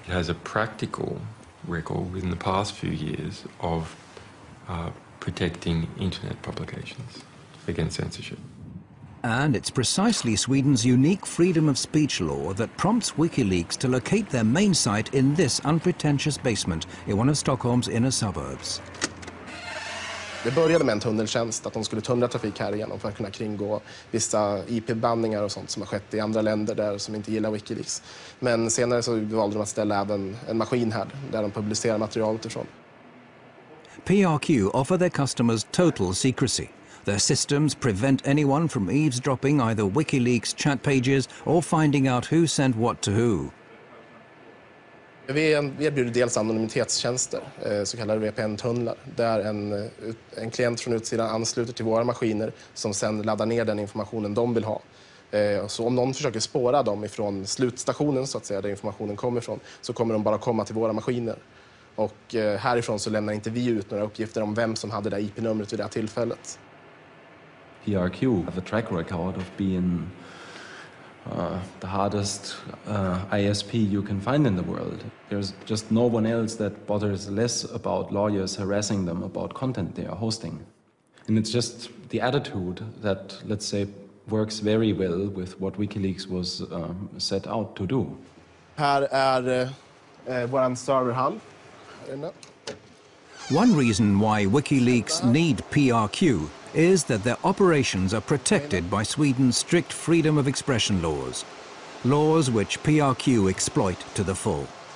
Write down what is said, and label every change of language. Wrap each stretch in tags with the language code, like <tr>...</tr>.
<en>It has a practical record within the past few years of protecting internet publications against censorship. And it's precisely Sweden's unique freedom of speech law that prompts WikiLeaks to locate their main site in this unpretentious basement in one of Stockholm's inner suburbs.</en> <sv>Det började med en tunneltjänst, att de skulle tunnla trafik här igenom för att kunna kringgå vissa IP-bandningar och sånt som har skett I andra länder där som inte gillar WikiLeaks. Men senare så valde de att ställa även en maskin här där de publicerar materialet ifrån.</sv> <en>PRQ offer their customers total secrecy. Their systems prevent anyone from eavesdropping either WikiLeaks chat pages or finding out who sent what to who.</en> <sv>Vi erbjuder dels anonymitetstjänster, så kallade VPN-tunnlar, där en klient från utsidan ansluter till våra maskiner som sen laddar ner den informationen de vill ha. Så om någon försöker spåra dem ifrån slutstationen, så att säga, där informationen kommer ifrån, så kommer de bara komma till våra maskiner. Och härifrån så lämnar inte vi ut några uppgifter om vem som hade det IP-numret vid det här tillfället.</sv> <en>PRQ have a track record of being the hardest ISP you can find in the world. There's just no one else that bothers less about lawyers harassing them about content they are hosting. And it's just the attitude that, let's say, works very well with what WikiLeaks was set out to do.</en> <sv>Här är våran serverhall.</sv> <en>One reason why WikiLeaks need PRQ is that their operations are protected by Sweden's strict freedom of expression laws, laws which PRQ exploit to the full.</en>